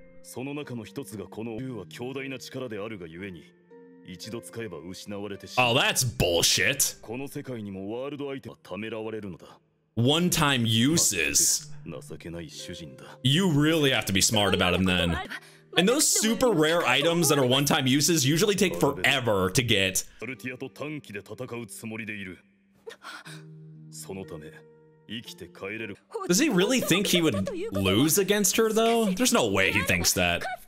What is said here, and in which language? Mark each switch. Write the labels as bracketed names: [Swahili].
[Japanese] その中の一つがこの竜は強大な力であるがゆえに、一度使えば失われてしまう。 [English] Oh, that's bullshit. [Japanese] この世界にもワールドアイテムはためらわれるのだ。 [English] One time uses. [Japanese] 情けない主人だ。 [English] You really have to be smart about him then. And those super rare items that are one time uses usually take forever to get. [Japanese] ソルティアと短期で戦うつもりでいる。そのため。 [English] Does he really think he would lose against her, though? There's no way he thinks that.